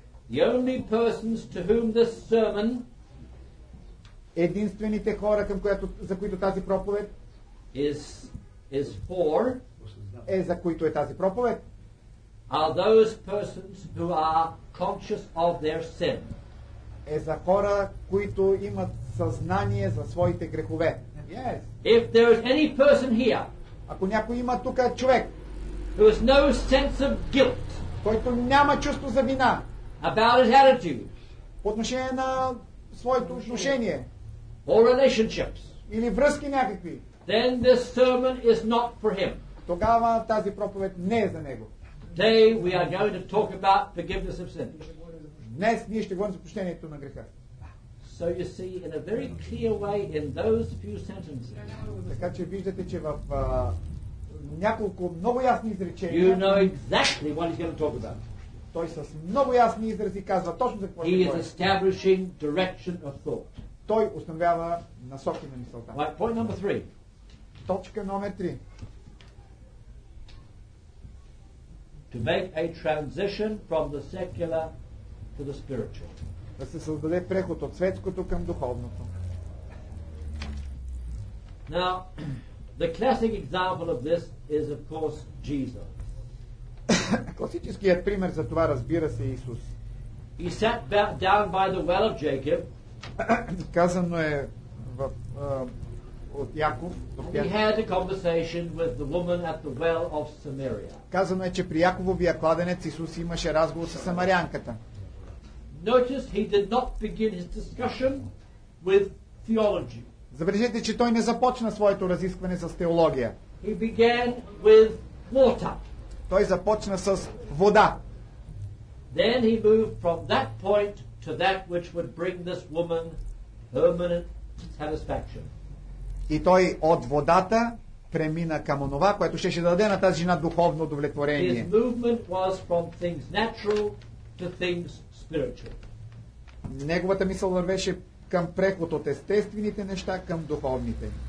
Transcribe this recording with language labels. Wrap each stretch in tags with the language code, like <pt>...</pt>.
<en>The only persons to whom this sermon,</en> <bg>единствените хора към които, за които тази проповед,</bg> <en>is for,</en> <bg>е за които е тази проповед,</bg> <en>are those persons who are conscious of their sin.</en> <bg>Е за хора, които имат съзнание за своите грехове.</bg> <en>Yes. If there is any person here,</en> <bg>ако някой има тук човек,</bg> <en>who has no sense of guilt,</en> <bg>който няма чувство за вина,</bg> <en>about his attitude,</en> <bg>по отношение на своето отношение,</bg> <en>or relationships,</en> <bg>или връзки някакви,</bg> <en>then this sermon is not for him.</en> <bg>Тогава тази проповед не е за него.</bg> <en>Today we are going to talk about forgiveness of sin.</en> <bg>Днес ние ще говорим за прощението на греха.</bg> <en>So you see, in a very clear way, in those few sentences.</en> <bg>Така че виждате, че в няколко много ясни изречения.</bg> <en>You know exactly what he's going to talk about.</en> <bg>Той с много ясни изрази казва точно за какво ще говори.</bg> <en>He is establishing direction of thought.</en> <bg>Той установява насоки на мисълта.</bg> <en>Right, point number three.</en> <bg>Точка номер три.</bg> <en>To make a transition from the secular to the spiritual.</en> <bg>Да се създаде преход от светското към духовното.</bg> <en>Now, the classic example of this is, of course, Jesus.</en> <bg>Класическият пример за това, разбира се, Исус.</bg> <en>He sat down by the well of Jacob.</en> <bg>Казано е в, от Яков.</bg> <en>He had a conversation with the woman at the well of Samaria.</en> <bg>Казано е, че при Якововия кладенец Исус имаше разговор с самарянката.</bg> <en>Notice he did not begin his discussion with theology.</en> <bg>Забележете, че той не започна своето разискване с теология.</bg> <en>He began with water.</en> <bg>Той започна с вода.</bg> <en>Then he moved from that point to that which would bring this woman permanent satisfaction.</en> <bg>И той от водата премина към онова, което щеше да даде на тази жена духовно удовлетворение.</bg> <en>His movement was from things natural to things spiritual.</en> <bg>Неговата мисъл вървеше към преход от естествените неща към духовните.</bg>